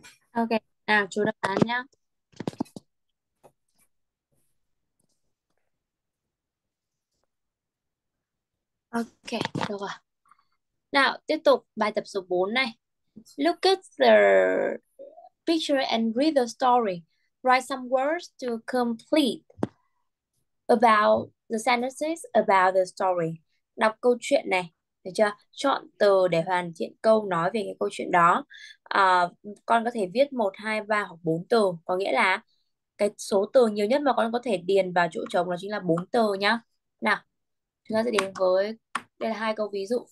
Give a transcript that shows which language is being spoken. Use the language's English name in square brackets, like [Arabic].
[Vietnamese] Ok, nào chú đáp án nhá. Ok, được rồi. Nào, tiếp tục bài tập số 4 này. [English] Look at the picture and read the story. Write some words to complete about the sentences about the story. [Vietnamese] Đọc câu chuyện này, được chưa? Chọn từ để hoàn thiện câu nói về cái câu chuyện đó. Con có thể viết 1, 2, 3 hoặc 4 từ. Có nghĩa là cái số từ nhiều nhất mà con có thể điền vào chỗ trống đó chính là 4 từ nhá. Nào, chúng ta sẽ đến với, đây là hai câu ví dụ.